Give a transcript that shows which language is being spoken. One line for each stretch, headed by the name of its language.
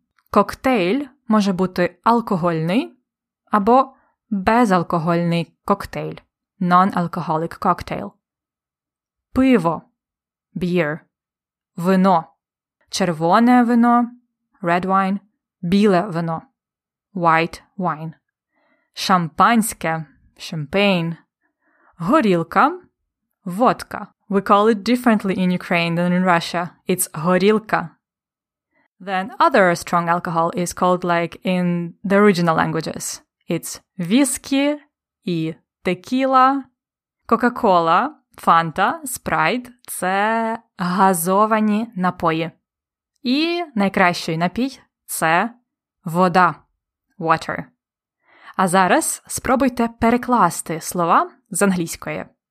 Ukrainian: Коктейль може бути алкогольний або безалкогольний коктейль.
English: Non-alcoholic cocktail.
Ukrainian: Пиво – beer. Вино – червоне вино –
English: red wine.
Ukrainian: Біле вино –
English: white wine.
Ukrainian: Шампанське – champagne. Горілка – водка.
English: We call it differently in Ukraine than in Russia.
Ukrainian: It's горілка.
English: Then other strong alcohol is called like in the original languages.
Ukrainian: It's віскі і текіла, кока-кола. Фанта, спрайт – це газовані напої. І найкращий напій – це вода.
English: Water.
Ukrainian: А зараз спробуйте перекласти слова з англійської.